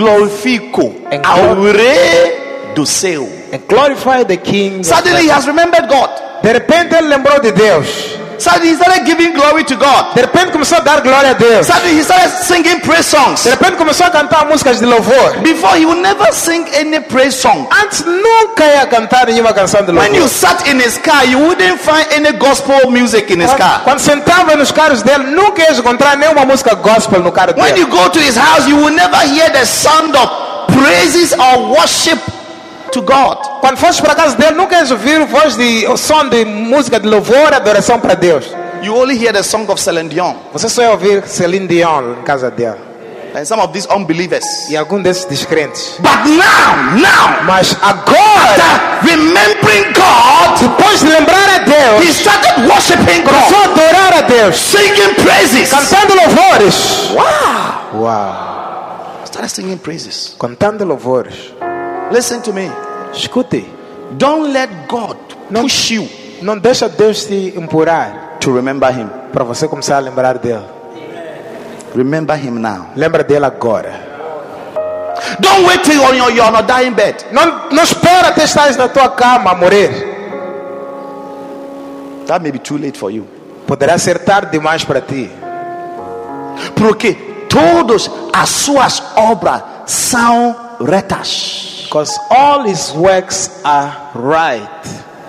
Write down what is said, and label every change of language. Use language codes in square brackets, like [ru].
[pt] e glorifico, [en] and [pt] ao rei do céu, [en] and glorify the king. Suddenly he has remembered God. [pt] De repente ele lembrou de Deus. [en] Suddenly he started giving glory to God. [pt] De repente começou a dar glória a Deus. [en] Suddenly he started singing praise songs. [pt] De repente começou a cantar músicas de louvor. [en] Before he would never sing any praise song. [pt] Antes nunca ia cantar nenhuma canção de louvor. [en] When you sat in his car, you wouldn't find any gospel music in his car. [pt] Quando sentava nos carros dele, nunca ia encontrar nenhuma música gospel no carro dele. [en] When you go to his house, you will never hear the sound of praises or worship to God. [pt] Quando foste para casa dele, nunca ouviu voz de som de música de louvor, adoração para Deus. [en] You only hear the song of Celine Dion. [pt] Você só ouviu Celine Dion em casa dele. [en] And some of these unbelievers. [pt] E algum desses descrentes. [en] But now, [pt] mas agora, [en] remembering God, [pt] depois de lembrar a Deus, [en] he started worshiping God. [pt] Começou a adorar a Deus, [en] singing praises, [pt] cantando louvores. [en] Wow. Started singing praises, [pt] cantando louvores. [en] Listen to me. [pt] Escute. [en] Don't let God push you. [pt] Não deixa Deus te empurrar. [en] To remember Him. [pt] Para você começar a lembrar dele. [en] Remember Him now. [pt] Lembra dele agora. [en] Don't wait till you're on a dying bed. [pt] Não espera até estás na tua cama a morrer. [en] That may be too late for you. [pt] Poderá ser tarde demais para ti. Porque todas as suas obras são retas. [en] Because all his works are right.